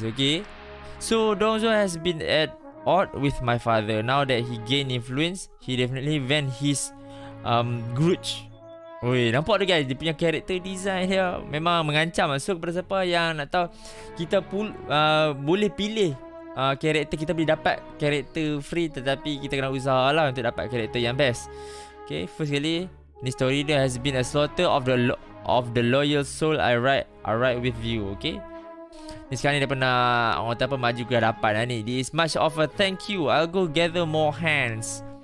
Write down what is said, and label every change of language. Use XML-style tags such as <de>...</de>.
<en>Okay, so Dong Zhuo has been at odds with my father. Now that he gained influence, he definitely vent his grudge.</en> <ms>Weh, nampak tu guys, dia punya character design dia memang mengancam. So kepada siapa yang nak tahu, kita pun boleh pilih karakter. Kita boleh dapat karakter free, tetapi kita kena usaha lah untuk dapat karakter yang best.</ms> <en>Okay,</en> <ms>first kali ni story dia,</ms> <en>has been a slaughter of the loyal soul I ride with you.</en> <ms>Okay, ni sekarang ni dia pernah orang kata apa, maju ke hadapan lah ni.</ms> <en>This much of a thank you, I'll go gather more hands.</en>